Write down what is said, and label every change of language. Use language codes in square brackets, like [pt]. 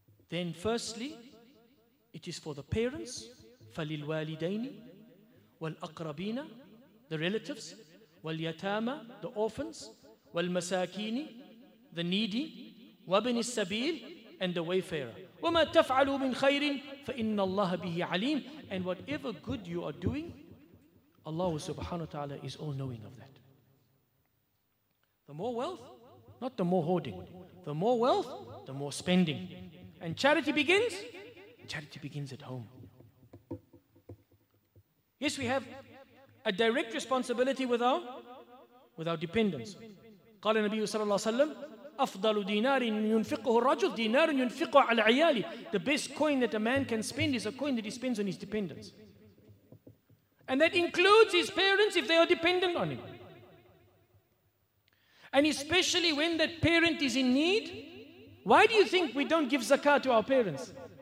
[en] then firstly, it is for the parents, [ar] فَلِلْوَالِدَيْنِ وَالْأَقْرَبِينَ [en] The relatives, [ar] وَالْيَتَامَ [en] The orphans, [ar] وَالْمَسَاكِينِ [en] The needy, [ar] وَبْنِ السَّبِيلِ [en] And the wayfarer. [ar] وَمَا تَفْعَلُوا مِنْ خَيْرٍ فَإِنَّ اللَّهَ بِهِ عَلِيمٍ [en] And whatever good you are doing, Allah subhanahu wa ta'ala is all-knowing of that. The more wealth, not the more hoarding. The more wealth, the more spending. And charity begins? Charity begins at home. Yes, we have a direct responsibility with our dependents. [ar] قال النبي صلى الله عليه وسلم أفضل دينار ينفقه الرجل دينار ينفقه على عياله. [en] The best coin that a man can spend is a coin that he spends on his dependents. And that includes his parents if they are dependent on him. And especially when that parent is in need, why do you think we don't give zakah to our parents?